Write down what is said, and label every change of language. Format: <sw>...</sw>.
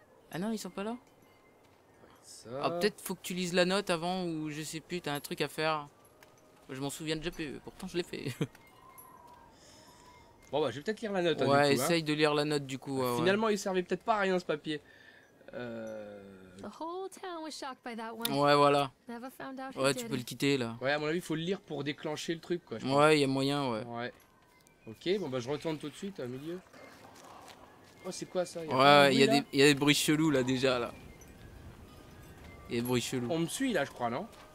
<fr>Ah non, ils sont pas là. Ça... Ah, peut-être faut que tu lises la note avant ou je sais plus, t'as un truc à faire. Je m'en souviens déjà plus, pourtant je l'ai fait. Bon bah je vais peut-être lire la note. Ouais, hein, essaye hein. De lire la note du coup. Ouais, finalement ouais. Il servait peut-être pas à rien ce papier.</fr> <en>The whole town was shocked by that one.</en> <fr>Ouais, voilà.</fr> <en>Never found out</en> <fr>ouais,</fr> <en>he</en> <fr>tu</fr> <en>did.</en> <fr>Peux le quitter là. Ouais, à mon avis, il faut le lire pour déclencher le truc quoi. Je ouais, il y a moyen, ouais. Ouais. Ok, bon bah je retourne tout de suite au milieu. Oh, c'est quoi ça? Ouais, il y a des bruits chelous là déjà là. Il y a des bruits chelous. On me suit là, je crois, non?</fr>